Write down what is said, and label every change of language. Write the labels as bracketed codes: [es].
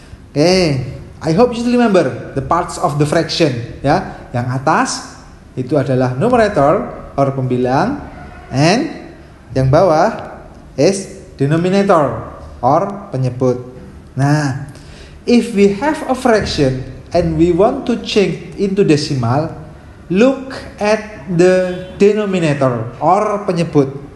[en] Okay. I hope you remember the parts of the fraction. [ms] Ya, yang atas itu adalah numerator or pembilang, and yang bawah is denominator or penyebut. [en] Nah, if we have a fraction and we want to change into decimal, look at the denominator or penyebut.